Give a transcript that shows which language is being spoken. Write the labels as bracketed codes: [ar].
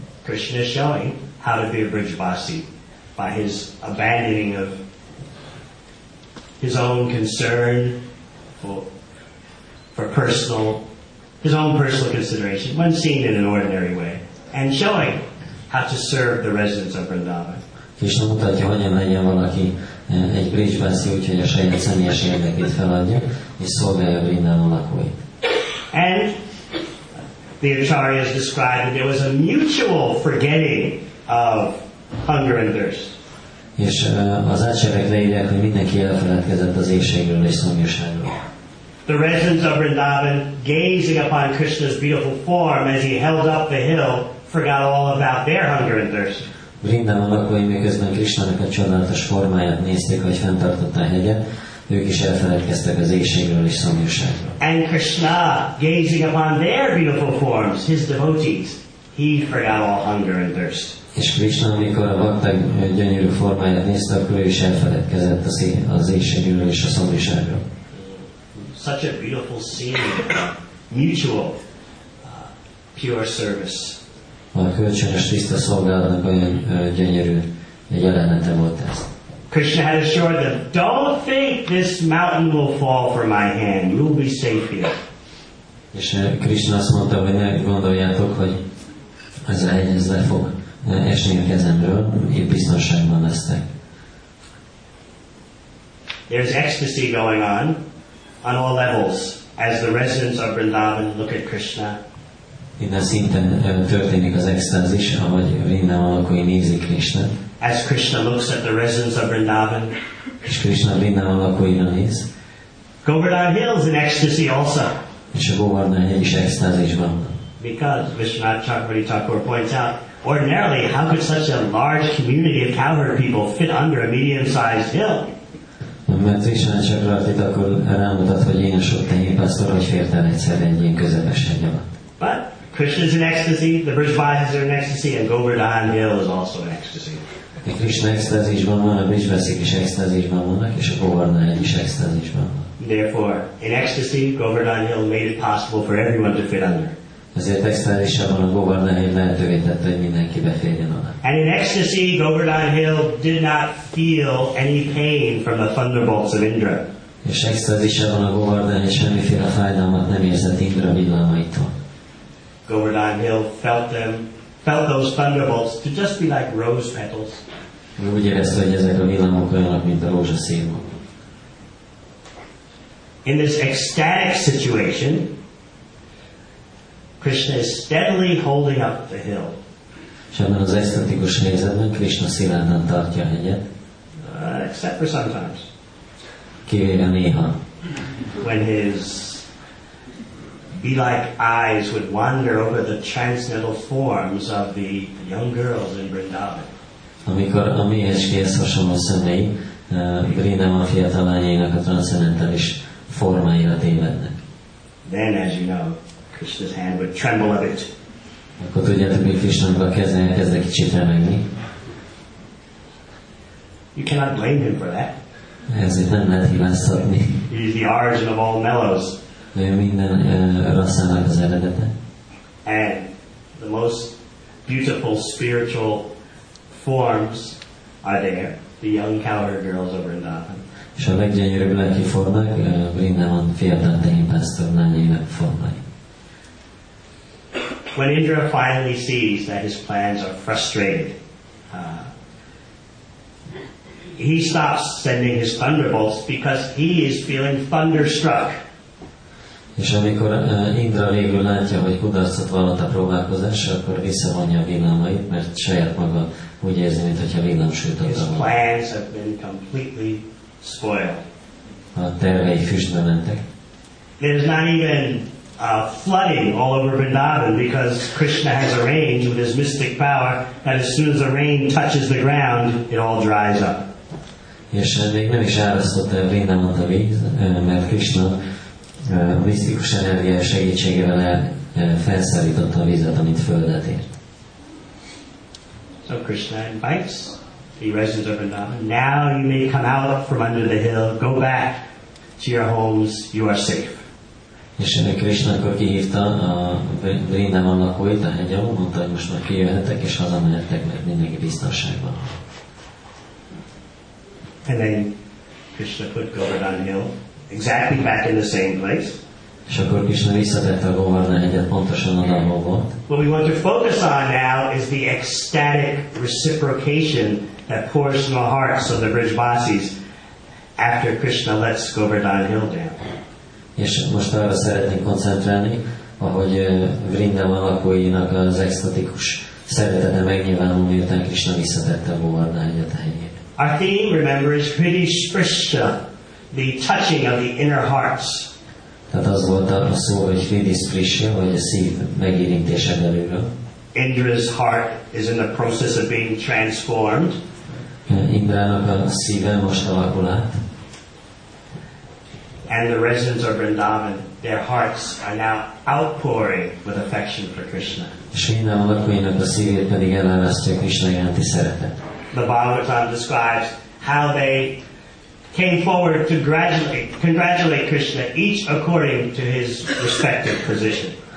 [en] Krishna is showing how to be a Vrijvasi by his abandoning of his own concern for his own personal consideration when seen in an ordinary way, and showing how to serve the residents of Vrindavan. [hu] Krishna mutatja, hogyan legyen valaki egy Vrijvasi, úgyhogy a saját személyes érdekét feladja, és szolgálja Vrindavan lakóit. [en] And the acharyas described that there was a mutual forgetting of hunger and thirst. [hu] És az acharyák leírják, hogy mindenki elfeledkezett az éhségről és szomjúságról. [en] The residents of Vrindavan, gazing upon Krishna's beautiful form as he held up the hill, forgot all about their hunger and thirst. [hu] Vrindavan lakói, miközben Krishnának a csodálatos formáját nézték, hogy fenntartotta a hegyet, ők is elfeledkeztek az éhségről és szomjúságról. [en] And Krishna, gazing upon their beautiful forms, his devotees, he forgot all hunger and thirst. [hu] És Krishna, amikor a bhakták gyönyörű formáját nézte, akkor ő is elfeledkezett az éhségről és a szomjúságról. [en] Such a beautiful scene of mutual, pure service. [hu] A kölcsönös tiszta szolgálatnak olyan gyönyörű jelenete volt ez. [en] Krishna had assured them, don't think this mountain will fall from my hand. You'll be safe here. [hu] És Krishna azt mondta, hogy ne gondoljátok, hogy ez a hegy ez le fog esni a kezemről, én biztonságban lesztek. [en] There's ecstasy going on all levels as the residents of Vrindavan look at Krishna. [hu] Innen szinten történik az extázis, ahogy Vrindavan lakói nézik Krishnát. [en] As Krishna looks at the residents of Vrindavan, [hu] és Krishna Vrindavan lakóira néz. [en] Govardhan Hill is in ecstasy also. [hu] És a Govardhan Hill is extázisban. [en] Because Vishwanath Chakravarti Thakur points out, ordinarily, how could such a large community of cowherd people fit under a medium-sized hill? [hu] Mert Vishwanath Chakravarti Thakur rámutat, hogy én a sok tehén pásztor, hogy férten egyszerre egy ilyen közepes hegy alatt. [en] But Krishna is in ecstasy, the Vrijvasis are in ecstasy, and Govardhan Hill is also in ecstasy. [hu] A Krishna extázisban van, a Vrijvasik is extázisban vannak, és a Govardhan Hill is extázisban van. [en] Therefore, in ecstasy, Govardhan Hill made it possible for everyone to fit under. [hu] Ezért extázisában a Govardhan Hill lehetővé tette, hogy mindenki beférjen oda. [en] And in ecstasy, Govardhan Hill did not feel any pain from the thunderbolts of Indra. [hu] És extázisában a Govardhan Hill semmiféle fájdalmat nem érzett Indra villámaitól. [en] Govardhan Hill felt those thunderbolts to just be like rose petals. [hu] Úgy érezte, hogy ezek a villámok olyanok, mint a rózsaszín. [en] In this ecstatic situation, Krishna is steadily holding up the hill. [hu] És ebben az esztetikus helyzetben Krishna szilárdan tartja a hegyet. [en] Except for sometimes. [hu] Kivéve néha. [en] When his bee-like eyes would wander over the transcendental forms of the young girls in Vrindavan. [hu] Amikor a méhecskéhez hasonló személy, Vrindavan fiatal lányainak a transzcendentális formáira tévednek. [en] Then, as you know, Krishna's hand would tremble a bit. [hu] Akkor tudjátok, hogy Krishna-nak a keze elkezd egy kicsit remegni. [en] You cannot blame him for that. [hu] Ezért nem lehet hibáztatni. [en] He is the origin of all mellows. [hu] Minden rasszának az eredete. [en] And the most beautiful spiritual forms are there. the young cowherd girls over in Dothan. [hu] És a leggyönyörűbb lelki formák, Vrindavan fiatal tehén pásztor lányének formái. [en] When Indra finally sees that his plans are frustrated, he stops sending his thunderbolts because he is feeling thunderstruck. [hu] És amikor Indra végül látja, hogy kudarcot vallott a próbálkozásra, akkor visszavonja a villámait, mert saját maga úgy érzi, mintha villám sütött volna. [en] His plans have been completely spoiled. [hu] A tervei füstbe mentek. [en] There's not even a flooding all over Vrindavan because Krishna has arranged with his mystic power that as soon as the rain touches the ground, it all dries up. [hu] És még nem is árasztott el Vrindavant a víz, mert Krishna misztikus energia segítségével felszállította a vizet, amit földet ért. [en] So Krishna invites the residents of Vrindavan. Now you may come out from under the hill, go back to your homes, you are safe. [hu] És Krishna akkor kihívta a Vrindavan lakóit a hegyen, mondta, hogy most már kijöhetek és hazamehetek, mert mindenki biztonságban. [en] And then Krishna put Govardhan Hill exactly back in the same place. [hu] És akkor Krishna visszatette a Govardhan Hegyet pontosan oda, ahol volt. [en] What we want to focus on now is the ecstatic reciprocation that pours from the hearts of the Brijvasis after Krishna lets Govardhan Hill down. [hu] És most arra szeretnénk koncentrálni, ahogy Vrindavan lakóinak az ecstatikus szeretete megnyilvánul, miután Krishna visszatette a Govardhan Hegyet a helyét. [en] Our theme, remember, is Hridi Sprishta, the touching of the inner hearts. [hu] Tehát az volt a szó, hogy Hridi Sprishta, vagy a szív megérintése belőlről. [en] Indra's heart is in the process of being transformed. [hu] Indrának a szíve most alakul át. [en] And the residents of Vrindavan, their hearts are now outpouring with affection for Krishna. [hu] És Vrindavan lakóinak a szívét pedig elárasztja Krishna iránti szeretet. [en] The Bhagavatam describes how they came forward to congratulate Krishna, each according to his respective position.